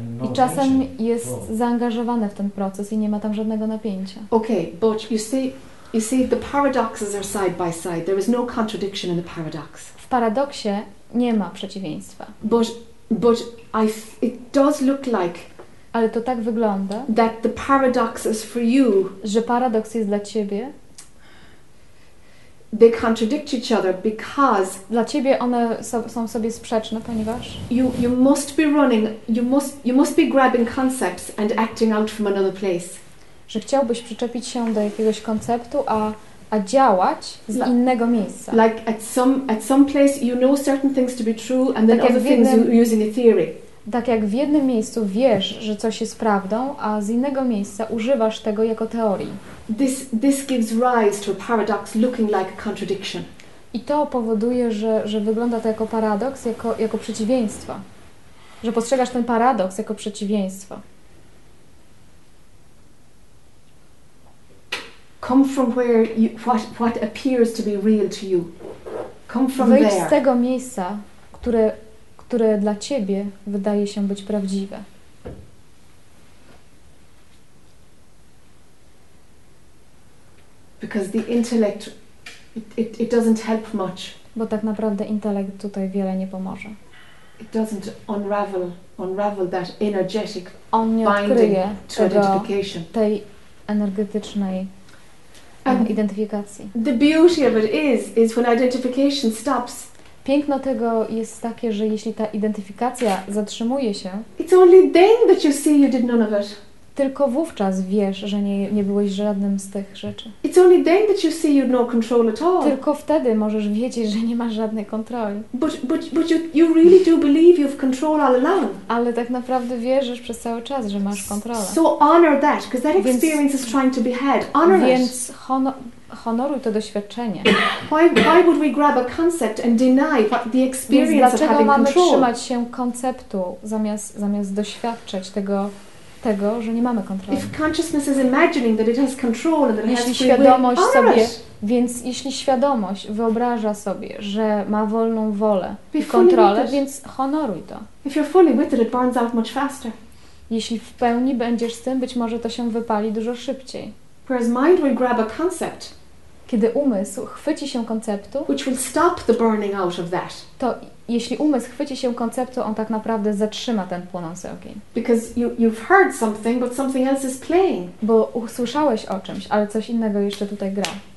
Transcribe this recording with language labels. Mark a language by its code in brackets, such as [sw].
[pl] I czasem jest zaangażowany w ten proces i nie ma tam żadnego napięcia. [en] Okay, but you see, the paradoxes are side by side. There is no contradiction in the paradox. [pl] W paradoksie nie ma przeciwieństwa. [en] But it does look like. [pl] Ale to tak wygląda. [en] That the paradox is for you. [pl] Że paradoks jest dla ciebie. [en] they contradict each other because [pl] dla ciebie one są sobie sprzeczne, ponieważ [en] you must be running, you must be grabbing concepts and acting out from another place. [pl] Że chciałbyś przyczepić się do jakiegoś konceptu, a działać z innego miejsca. [en] Like at some place you know certain things to be true and then other things you're using a theory. [pl] Tak jak w jednym miejscu wiesz, że coś jest prawdą, a z innego miejsca używasz tego jako teorii. [en] This gives rise to a paradox looking like a contradiction. [pl] I to powoduje, że wygląda to jako paradoks, jako przeciwieństwo. Że postrzegasz ten paradoks jako przeciwieństwo. [en] Come from where you, what appears to be real to you. Come from [pl] wyjdź [en] there. [pl] Z tego miejsca, które dla ciebie wydaje się być prawdziwe. [en] Because the intellect it doesn't help much. [pl] Bo tak naprawdę intelekt tutaj wiele nie pomoże. [en] It doesn't unravel that energetic [pl] on nie [en] binding [pl] odkryje [en] to identification. [pl] Tej energetycznej identyfikacji. [en] The beauty of it is when identification stops. [pl] Piękno tego jest takie, że jeśli ta identyfikacja zatrzymuje się, [en] it's only then that you see you did none of it. [pl] Tylko wówczas wiesz, że nie byłeś żadnym z tych rzeczy. [en] It's only then that you see you no control at all. [pl] Tylko wtedy możesz wiedzieć, że nie masz żadnej kontroli. [en] But you really do believe you've control all along. [pl] Ale tak naprawdę wierzysz przez cały czas, że masz kontrolę. [en] So honor that, because that experience is trying to be had. Honor it. [pl] Więc honoruj to doświadczenie. [en] Why would we grab a concept and deny the experience of having control? [pl] Dlaczego mamy trzymać się konceptu zamiast doświadczać tego, że nie mamy kontroli? [en] If consciousness is imagining that it has control and that it [pl] jeśli [en] has free [pl] świadomość [en] will, [pl] sobie, [en] honor it. [pl] Więc jeśli świadomość wyobraża sobie, że ma wolną wolę i kontrolę, więc honoruj to. [en] If you're fully with it, it burns out much faster. [pl] Jeśli w pełni będziesz z tym, być może to się wypali dużo szybciej. [en] Whereas mind will grab a concept, [pl] kiedy umysł chwyci się konceptu, [en] which will stop the burning out of that. [pl] To jeśli umysł chwyci się konceptu, on tak naprawdę zatrzyma ten płonący ogień. [en] Because you've heard something, but something else is playing. [pl] Bo usłyszałeś o czymś, ale coś innego jeszcze tutaj gra.